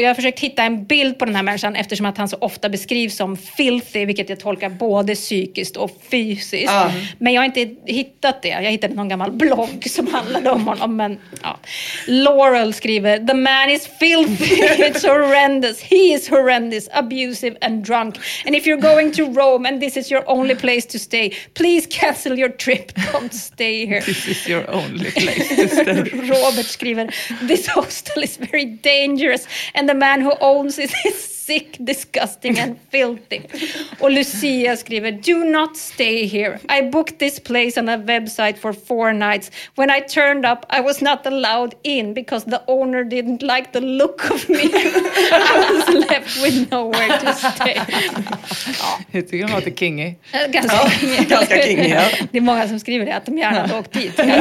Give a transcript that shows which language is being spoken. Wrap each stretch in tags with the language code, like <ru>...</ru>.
<sv>Jag har försökt hitta en bild på den här människan eftersom att han så ofta beskrivs som filthy, vilket jag tolkar både psykiskt och fysiskt. Men jag har inte hittat det. Jag hittade någon gammal blogg som handlade om honom. Men, ja.</sv> <en>Laurel</en> <sv>skriver:</sv> <en>the man is filthy, it's horrendous. He is horrendous, abusive and drunk. And if you're going to Rome and this is your only place to stay, please cancel your trip. Don't stay here. This is your only place. Robert</en> <sv>skriver:</sv> <en>this hostel is very dangerous and the man who owns it is sick, disgusting and filthy.</en> <sv>Och Lucia skriver:</sv> <en>do not stay here. I booked this place on a website for 4 nights. When I turned up, I was not allowed in because the owner didn't like the look of me. I was left with nowhere to stay.</en> <sv>Jag tycker att det är kingy. Ganska kingy. Ganska kingy, ja. Det är många som skriver det, att de gärna hade åkt dit.</sv>